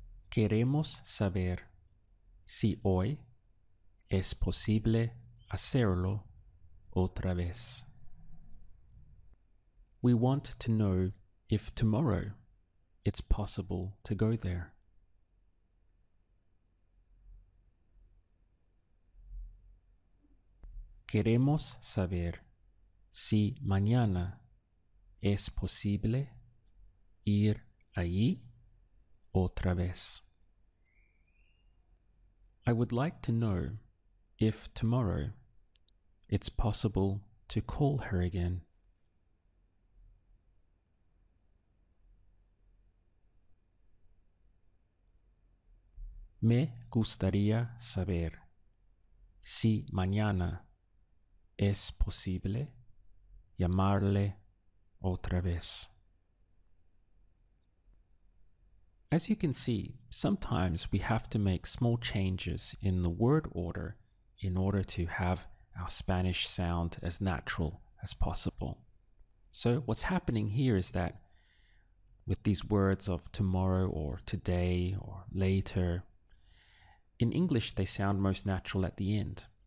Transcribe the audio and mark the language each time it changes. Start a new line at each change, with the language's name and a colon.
Spanish: Queremos saber si hoy es posible hacerlo otra vez.
English: We want to know if tomorrow it's possible to go there.
Spanish: Queremos saber si mañana es posible ir allí otra vez.
English: I would like to know if tomorrow it's possible to call her again.
Spanish: Me gustaría saber si mañana es posible llamarle otra vez.
English: As you can see, sometimes we have to make small changes in the word order in order to have our Spanish sound as natural as possible. So what's happening here is that with these words of tomorrow or today or later, in English they sound most natural at the end.